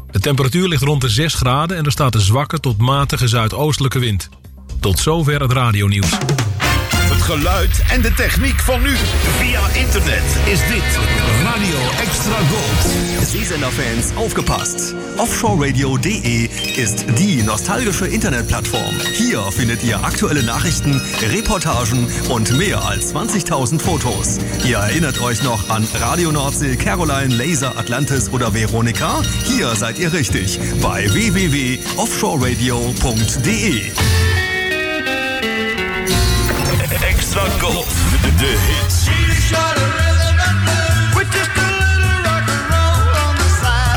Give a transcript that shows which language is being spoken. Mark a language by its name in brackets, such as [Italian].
[Dutch] De temperatuur ligt rond de 6 graden en er staat een zwakke tot matige zuidoostelijke wind. Tot zover het radionieuws. Het geluid en de techniek van nu. Via internet is dit Radio Extra Gold. [German] Zeesenderfans, aufgepasst. Offshoreradio.de ist die nostalgische Internetplattform. Hier findet ihr aktuelle Nachrichten, Reportagen und mehr als 20.000 Fotos. Ihr erinnert euch noch an Radio Nordsee, Caroline, Laser, Atlantis oder Veronika? Hier seid ihr richtig bei www.offshoreradio.de. [English] Extra Gold, the hits. She's got a rhythm and blues, with just a little rock and roll on the side.